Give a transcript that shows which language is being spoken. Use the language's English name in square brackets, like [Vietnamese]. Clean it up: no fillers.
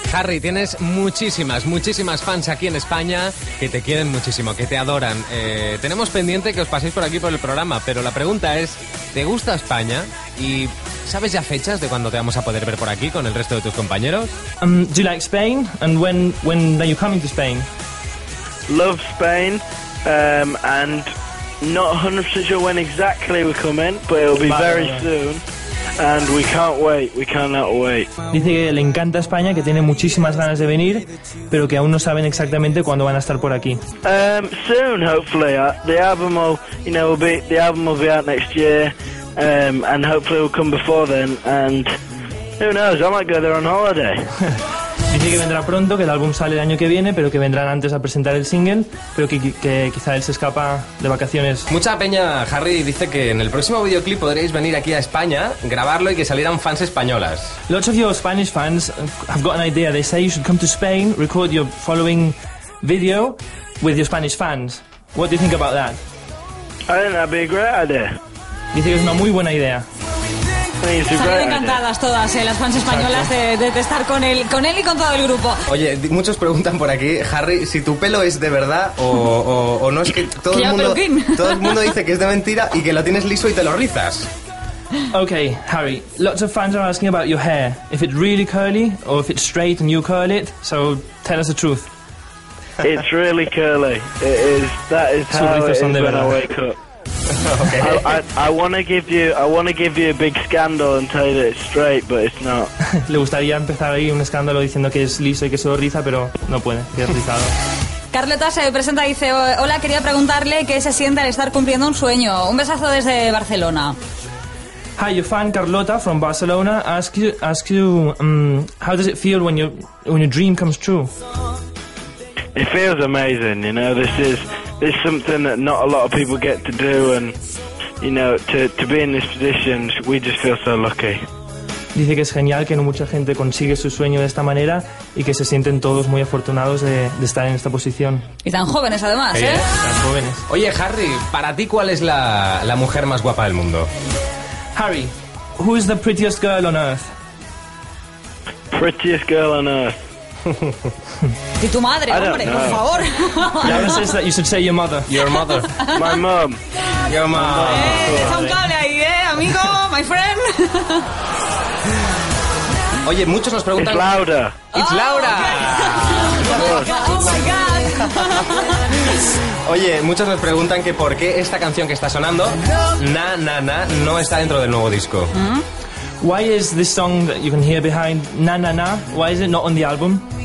[Spanish] Harry, tienes muchísimas fans aquí en España que te quieren muchísimo, que te adoran. Tenemos pendiente que os paséis por aquí por el programa, pero la pregunta es, ¿te gusta España? ¿Y sabes ya fechas de cuando te vamos a poder ver por aquí con el resto de tus compañeros? [English] Do you like Spain? And when are you coming to Spain? Love Spain, and not 100% sure when exactly we come in, but it'll be very soon, and we can't wait, we cannot wait. [Spanish] Dice que le encanta España, que tiene muchísimas ganas de venir, pero que aún no saben exactamente cuándo van a estar por aquí. [English] Soon, hopefully. The album will be out next year, and hopefully we'll come before then, and who knows, I might go there on holiday. [Spanish] Dice que vendrá pronto, que el álbum sale el año que viene, pero que vendrán antes a presentar el single, pero que quizá él se escapa de vacaciones. Mucha peña, Harry, dice que en el próximo videoclip podréis venir aquí a España, grabarlo y que salieran fans españolas. [English] Lots of your Spanish fans have got an idea. They say you should come to Spain, record your following video with your Spanish fans. What do you think about that? I think that'd be a great idea. [Spanish] Dice que es una muy buena idea. Están encantadas todas, las fans españolas de estar con él y con todo el grupo. Oye, muchos preguntan por aquí, Harry, si tu pelo es de verdad o no, es que todo el mundo dice que es de mentira y que lo tienes liso y te lo rizas. [English] Okay, Harry, lots of fans are asking about your hair, if it's really curly or if it's straight and you curl it, so tell us the truth. It's really curly. That is how it is when I wake up. Okay. I want to give you a big scandal and tell you that it's straight, but it's not. [Spanish] Le gustaría empezar ahí un escándalo diciendo que es liso y que solo riza, pero no puede, que es rizado. Carlota se presenta y dice, hola, quería preguntarle qué se siente al estar cumpliendo un sueño. Un besazo desde Barcelona. [English] Hi, your fan Carlota from Barcelona ask you how does it feel when your dream comes true? It feels amazing, you know, this is something that not a lot of people get to do, and you know, to be in this position, we just feel so lucky. [Spanish] Dice que es genial que no mucha gente consigue su sueño de esta manera y que se sienten todos muy afortunados de estar en esta posición. Y tan jóvenes además, ¿eh? Tan jóvenes. Oye, Harry, ¿para ti cuál es la mujer más guapa del mundo? [English] Harry, who is the prettiest girl on earth? Prettiest girl on earth. [Spanish] Y tu madre, hombre, [English] know. [Spanish] Por favor. [English] No, that you should say your mother. Your mother. My mom. Your mom. [Spanish] Deja un cable ahí, amigo, [English] my friend. [Spanish] Oye, muchos nos preguntan. [English] It's Laura. It's Laura. Okay. Oh my god. [Spanish] Oye, muchos nos preguntan que por qué esta canción que está sonando, Na Na Na, no está dentro del nuevo disco. Mm-hmm. [English] Why is this song that you can hear behind Na Na Na, why is it not on the album?